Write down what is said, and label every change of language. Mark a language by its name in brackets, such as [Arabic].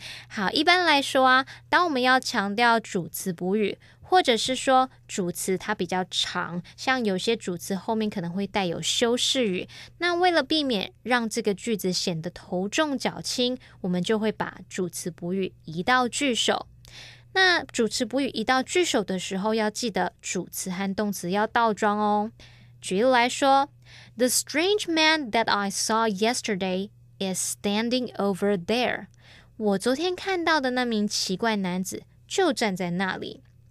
[Chinese] 好，一般来说啊，当我们要强调主词补语，或者是说主词它比较长，像有些主词后面可能会带有修饰语，那为了避免让这个句子显得头重脚轻，我们就会把主词补语移到句首。那主词补语移到句首的时候，要记得主词和动词要倒装哦。举例来说 [English] The strange man that I saw yesterday is standing over there. [Chinese] 我昨天看到的那名奇怪男子就站在那里。